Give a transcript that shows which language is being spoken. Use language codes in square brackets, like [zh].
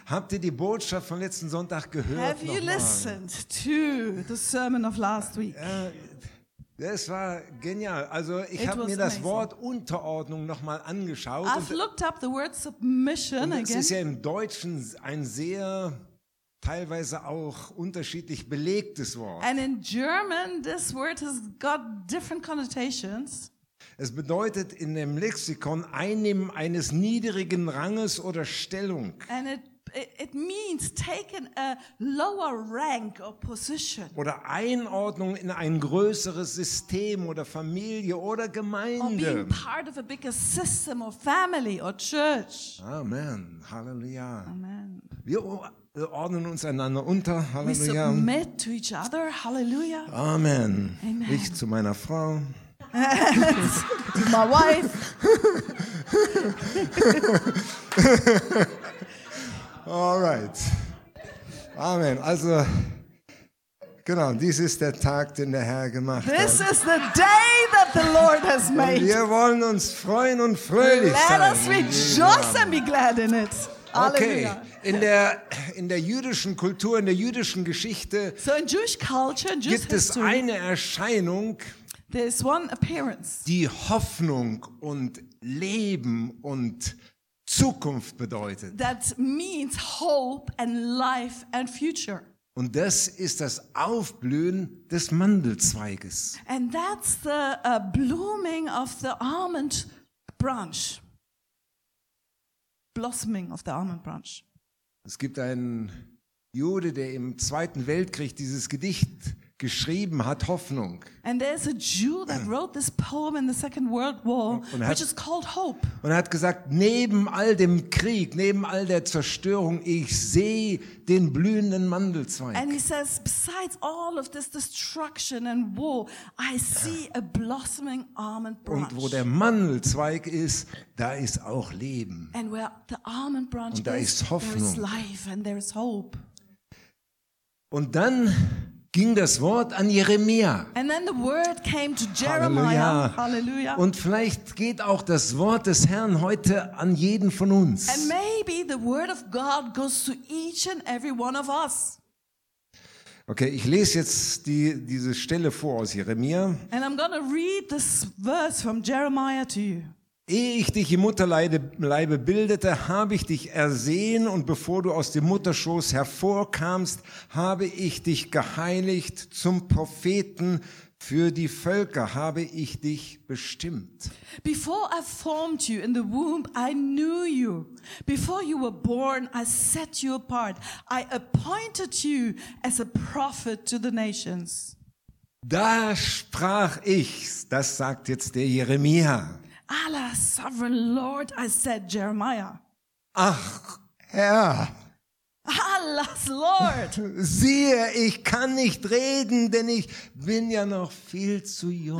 [de] Habt ihr die Botschaft von letzten Sonntag gehört? [en] Have you listened to the sermon of last week? [de] Das war genial. Also ich habe mir das Wort Unterordnung nochmal angeschaut. [en] I've looked up the word submission again. [de] Das ist ja im Deutschen ein sehr teilweise auch unterschiedlich belegtes Wort. [en] And in German this word has got different connotations. [de] Es bedeutet in dem Lexikon Einnehmen eines niedrigen Ranges oder Stellung. [en] And it means taking a lower rank or position. [de] Oder Einordnung in ein größeres System oder Familie oder Gemeinde. [en] Or being part of a bigger system or family or church. Amen. Halleluja. Amen. [de] Wir ordnen uns einander unter. Halleluja. [en] We submit to each other. Halleluja. [de] Amen. Amen. Ich zu meiner Frau. [en] To my wife. All right. Amen. [de] Also, genau, dies ist der Tag, den der Herr gemacht [en] this [de] hat. [en] This is the day that the Lord has made. [de] Wir wollen uns freuen und fröhlich [en] let [de] sein. [en] Let us rejoice and be glad in it. Halleluja. [de] Okay, in der jüdischen Kultur, in der jüdischen Geschichte [en] so in Jewish culture, in Jewish [de] gibt es [en] history, [de] eine Erscheinung, [en] there's one appearance, [de] die Hoffnung und Leben und Zukunft bedeutet. [en] That means hope and life and future. [de] Und das ist das Aufblühen des Mandelzweiges. [en] And that's the blooming of the almond branch. Blossoming of the almond branch. [de] Es gibt einen Jude, der im Zweiten Weltkrieg dieses Gedicht geschrieben hat, Hoffnung. [en] And there's a Jew that wrote this poem in the Second World War, which is called Hope. [de] Und er hat gesagt, neben all dem Krieg, neben all der Zerstörung, ich sehe den blühenden Mandelzweig. [en] And he says, besides all of this destruction and war, I see a blossoming almond branch. [de] Und wo der Mandelzweig ist, da ist auch Leben. [en] And where the almond branch [de] und da ist Hoffnung. [en] There is life and there is hope. [de] Und dann ging das Wort an Jeremia. [en] And then the word came to Jeremiah. Halleluja. [de] Und vielleicht geht auch das Wort des Herrn heute an jeden von uns. [en] And maybe the word of God goes to each and every one of us. [de] Okay, ich lese jetzt diese Stelle vor aus Jeremia. [en] And I'm gonna read this verse from Jeremiah to you. [de] Ehe ich dich im Mutterleibe bildete, habe ich dich ersehen und bevor du aus dem Mutterschoß hervorkamst, habe ich dich geheiligt zum Propheten für die Völker, habe ich dich bestimmt. [en] Before I formed you in the womb, I knew you. Before you were born, I set you apart. I appointed you as a prophet to the nations. [de] Da sprach ich, das sagt jetzt der Jeremia. [en] Allah, sovereign Lord, I said, Jeremiah. [de] Ach, Herr. [en] Allah, Lord. [de] Siehe, ich kann nicht reden, denn ich bin ja noch viel zu jung.